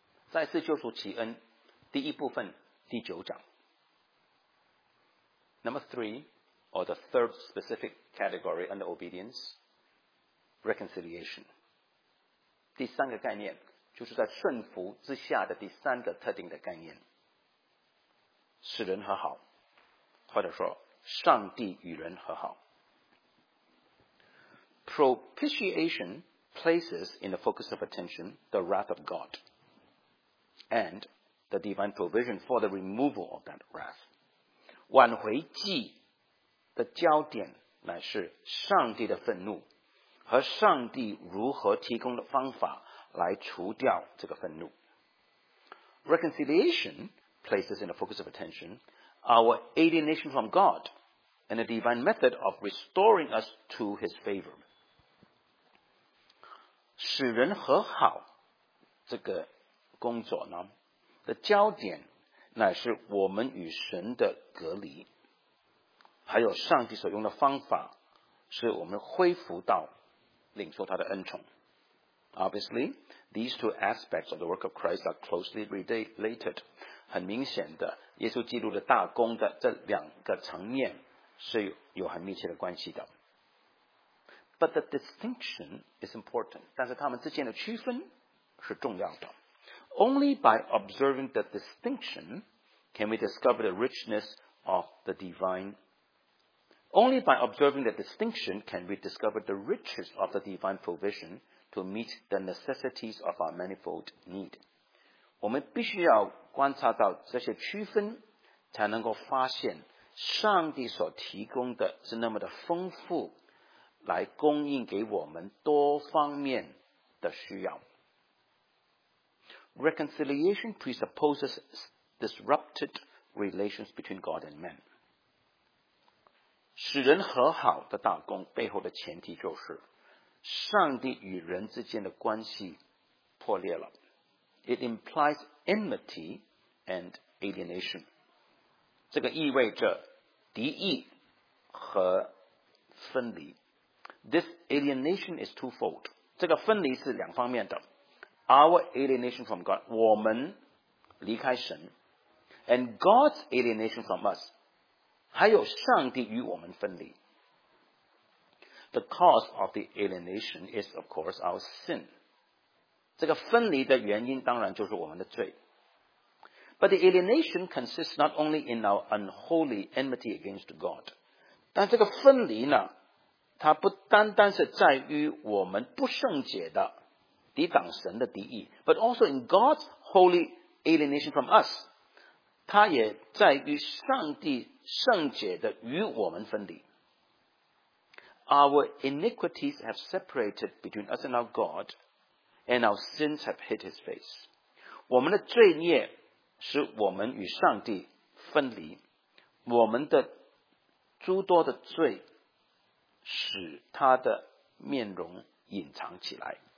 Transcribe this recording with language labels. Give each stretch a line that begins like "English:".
Chinese: 再次救赎启恩，第一部分，第九章。
English: Number 3, or the third specific category under obedience, reconciliation.
Chinese: 第三个概念，就是在顺服之下的第三个特定的概念。使人和好，或者说上帝与人和好。
English: Propitiation places in the focus of attention the wrath of God and the divine provision for the removal of that wrath.
Chinese: 挽回祭的焦点乃是上帝的愤怒和上帝如何提供的方法来除掉这个愤怒。
English: Reconciliation places in the focus of attention our alienation from God and the divine method of restoring us to his favor.
Chinese: 使人和好这个工作呢的焦点乃是我们与神的隔离，还有上帝所用的方法使我们恢复到领受他的恩宠。
English: Obviously, these two aspects of the work of Christ are closely related.
Chinese: 很明显的，耶稣基督的大功的这两个层面是有很密切的关系的。
English: But the distinction is important.
Chinese: 但是他们之间的区分是重要的。
English: Only by observing the distinction can we discover the richness of the divine. Only by observing the distinction can we discover the riches of the divine provision to meet the necessities of our manifold need.
Chinese: 我们必须要观察到这些区分，才能够发现上帝所提供的是那么的丰富。来供应给我们多方面的需要。
English: Reconciliation presupposes disrupted relations between God and man.
Chinese: 使人和好的大功背后的前提就是上帝与人之间的关系破裂了。
English: It implies enmity and alienation.
Chinese: 这个意味着敌意和分离。
English: This alienation is twofold.
Chinese: 这个分离是两方面的。
English: Our alienation from God,
Chinese: 我们离开神。
English: And God's alienation from us,
Chinese: 还有上帝与我们分离。
English: The cause of the alienation is, of course, our sin.
Chinese: 这个分离的原因当然就是我们的罪。
English: But the alienation consists not only in our unholy enmity against God.
Chinese: 但这个分离呢它不单单是在于我们不圣洁的抵挡神的敌意
English: but also in God's holy alienation from us,
Chinese: 它也在于上帝圣洁的与我们分离。
English: Our iniquities have separated between us and our God, and our sins have hid his face.
Chinese: 我们的罪孽使我们与上帝分离，我们的诸多的罪使他的面容隐藏起来。